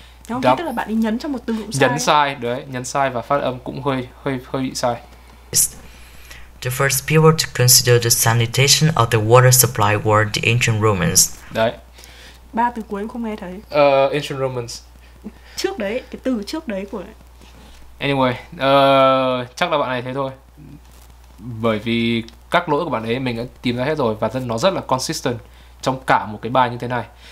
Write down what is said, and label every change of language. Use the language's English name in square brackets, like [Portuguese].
[Vietnamese] Đó tức là bạn ấy nhấn trong một từ cũng sai. Nhấn sai, đấy, nhấn sai và phát âm cũng hơi bị sai. [English] The first people to consider the sanitation of the water supply were the ancient Romans. [Vietnamese] Đấy. Ba từ cuối em không nghe thấy. [English] Ancient Romans. [Vietnamese] Trước đấy, cái từ trước đấy của. Anyway, chắc là bạn này thế thôi. Bởi vì các lỗi của bạn ấy mình đã tìm ra hết rồi và nó rất là consistent trong cả một cái bài như thế này.